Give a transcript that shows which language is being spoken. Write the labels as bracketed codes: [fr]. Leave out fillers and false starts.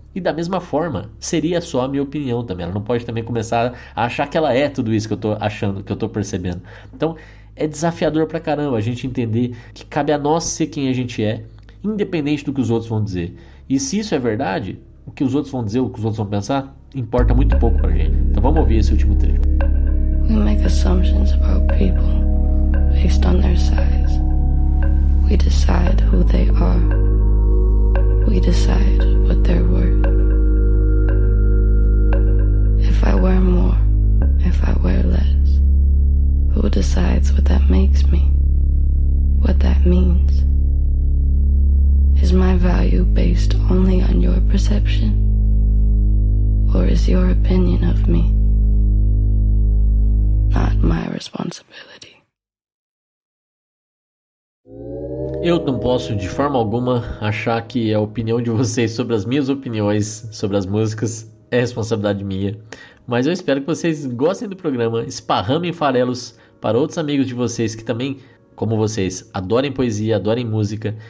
[pt] E da mesma forma, seria só a minha opinião também. Ela não pode também começar a achar que ela é tudo isso que eu tô achando, que eu tô percebendo. Então, é desafiador pra caramba a gente entender que cabe a nós ser quem a gente é, independente do que os outros vão dizer. E se isso é verdade, o que os outros vão dizer, o que os outros vão pensar, importa muito pouco pra gente. Então, vamos ouvir esse último trecho. [en] We make assumptions about people based on their size. We decide who they are. We decide what they're worth. If I wear more, if I wear less, who decides what that makes me? What that means? Is my value based only on your perception? Or is your opinion of me not my responsibility? [pt] Eu não posso de forma alguma achar que a opinião de vocês sobre as minhas opiniões sobre as músicas é responsabilidade minha. Mas eu espero que vocês gostem do programa, esparramem farelos para outros amigos de vocês que também, como vocês, adorem poesia, adorem música.